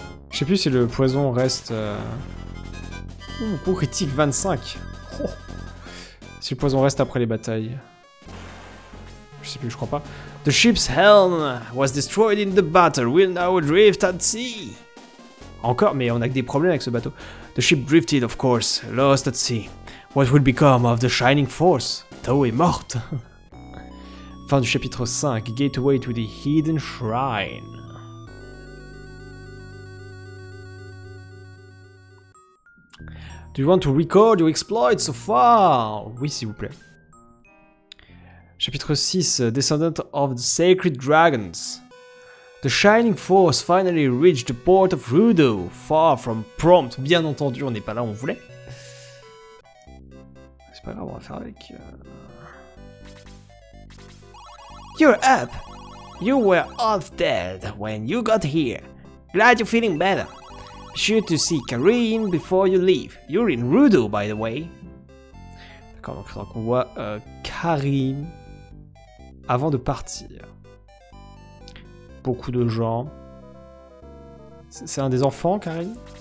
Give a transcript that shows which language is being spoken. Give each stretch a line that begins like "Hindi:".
French: Je sais plus si le poison reste. Coup critique 25. Si le poison reste après les batailles. Je sais plus, je crois pas.
English: The ship's helm was destroyed in the battle. We'll now drift at sea.
French: Encore, mais on a que des problèmes avec ce bateau.
English: The ship drifted, of course, lost at sea. What will become of the Shining Force?
French: Tao est morte. Fin du chapitre 5.
English: Gateway to the Hidden Shrine. Do you want to record your exploits so far?
French: Oui, s'il vous plaît. Chapitre 6,
English: Descendant of the Sacred Dragons. The Shining Force finally reached the port of Rudo, far from prompt.
French: Bien entendu, on n'est pas là où on voulait. C'est pas grave, on va faire avec...
English: You're up! You were half dead when you got here. Glad you're feeling better. Sure to see Karine before you leave. You're in Rudo, by the way.
French: D'accord, donc il faudra qu'on voit Karine avant de partir. Beaucoup de gens. C'est un des enfants, Karine?